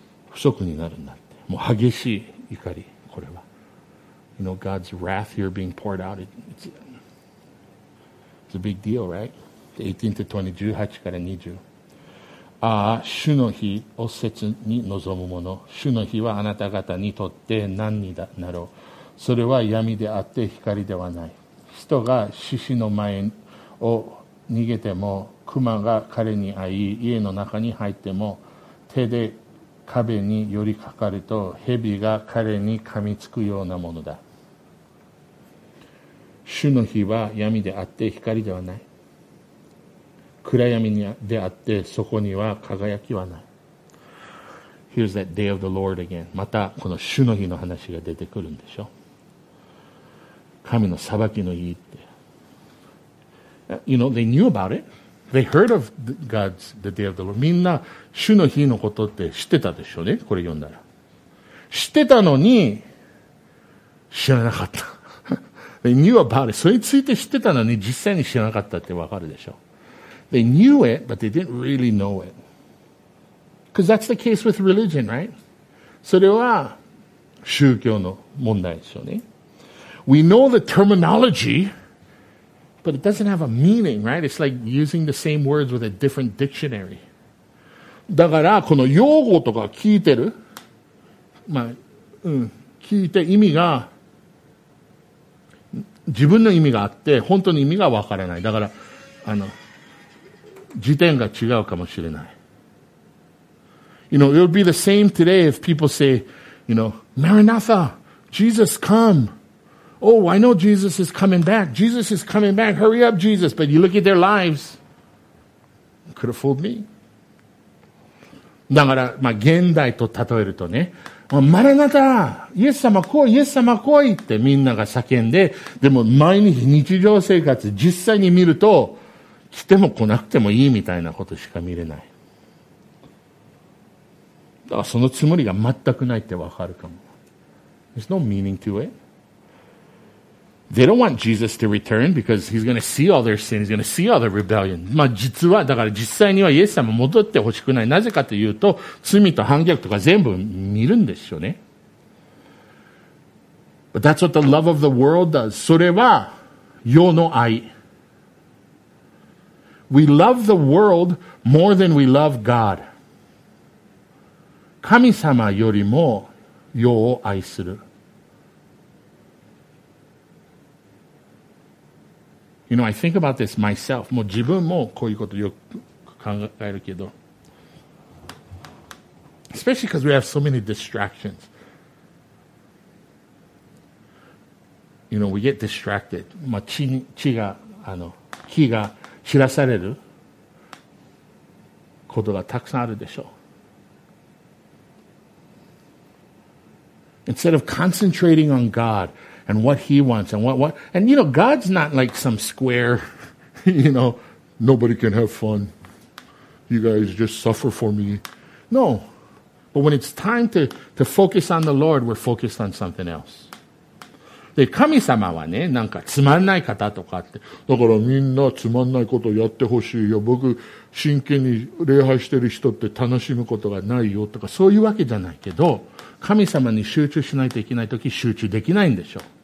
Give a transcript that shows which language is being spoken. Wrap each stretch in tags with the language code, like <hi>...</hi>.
<ja>不足になるんだって。もう激しい怒り、これは。</ja> <en>You know, God's wrath here being poured out, it's a big deal, right? 18 to 20,</en> <ja>18から20。ああ、主の日を切に望む者、主の日はあなた方にとって何になろう。それは闇であって光ではない。人が獅子の前を逃げても、熊が彼に会い、家の中に入っても、手で壁に寄りかかると、蛇が彼に噛みつくようなものだ。主の日は闇であって光ではない。暗闇であってそこには輝きはない。</ja> <en>Here's that day of the Lord again.</en> <ja>またこの主の日の話が出てくるんでしょ。神の裁きの日って。</ja> <en>You know, they knew about it. They heard of God's the day of the Lord.</en> <ja>みんな主の日のことって知ってたでしょうね。これ読んだら。知ってたのに知らなかった。</ja> <en>They knew about it.</en> <ja>それについて知ってたのに実際に知らなかったってわかるでしょ。</ja> <en>They knew it, but they didn't really know it. Because that's the case with religion, right?</en> <ja>それは宗教の問題ですよね。</ja> <en>We know the terminology, but it doesn't have a meaning, right? It's like using the same words with a different dictionary.</en> <ja>だからこの用語とか聞いてる、まあ、聞いて意味が、自分の意味があって、本当の意味がわからない。だから、時点が違うかもしれない。</ja> <en>You know, it would be the same today if people say, you know, Maranatha, Jesus come. Oh, I know Jesus is coming back. Jesus is coming back. Hurry up, Jesus. But you look at their lives. Could have fooled me.</en> <ja>だから、まあ、現代と例えるとね、マラナタ、イエス様来い、イエス様来いってみんなが叫んで、でも毎日日常生活実際に見ると、来ても来なくてもいいみたいなことしか見れない。だからそのつもりが全くないってわかるかも。</ja> <en>There's no meaning to it. They don't want Jesus to return because he's going to see all their sins, he's going to see all their rebellion.</en> <ja>まあ実は、だから実際にはイエス様戻ってほしくない。なぜかというと、罪と反逆とか全部見るんでしょうね。</ja> <en>But that's what the love of the world does.</en> <ja>それは、世の愛。</ja> <en>We love the world more than we love God.</en> <ja>神様よりも世を愛する。</ja> <en>You know, I think about this myself.</en> <ja>もう自分もこういうことよく考えるけど。</ja> <en>Especially because we have so many distractions. You know, we get distracted.</en> <ja>まあ、気が知らされることがたくさんあるでしょう。</ja> <en>Instead of concentrating on God and what He wants and what, and you know, God's not like some square, you know, nobody can have fun. You guys just suffer for me. No. But when it's time to focus on the Lord, we're focused on something else.</en> <ja>で神様はね、なんかつまんない方とかって。だからみんなつまんないことやってほしいよ。僕、真剣に礼拝してる人って楽しむことがないよとか、そういうわけじゃないけど、神様に集中しないといけないとき、集中できないんでしょ。</ja>